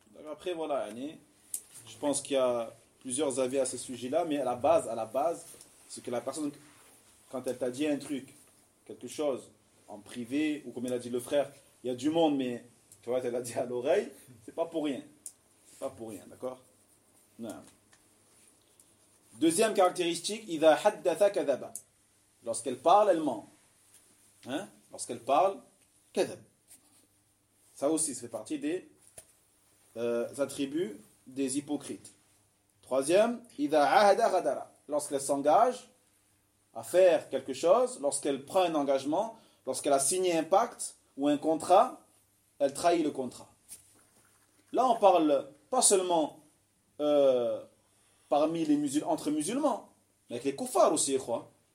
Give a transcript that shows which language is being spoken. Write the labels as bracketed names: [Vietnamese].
[French] Après, voilà, je pense qu'il y a plusieurs avis à ce sujet-là, mais à la base, c'est que la personne, quand elle t'a dit un truc, quelque chose, en privé, ou comme il a dit le frère, il y a du monde, mais tu vois, elle l'a dit à l'oreille, c'est pas pour rien. C'est pas pour rien, d'accord ? Non. Deuxième caractéristique, [Arabic] إذا حدث كذب. [French] Lorsqu'elle parle, elle ment. Hein? Lorsqu'elle parle, كذب. Ça aussi, ça fait partie des attributs des hypocrites. [Arabic] Troisième, إذا عهد غدر. [French] Lorsqu'elle s'engage à faire quelque chose, lorsqu'elle prend un engagement, lorsqu'elle a signé un pacte ou un contrat, elle trahit le contrat. Là, on parle pas seulement parmi les musulmans, entre musulmans, mais avec les koufars aussi, je crois.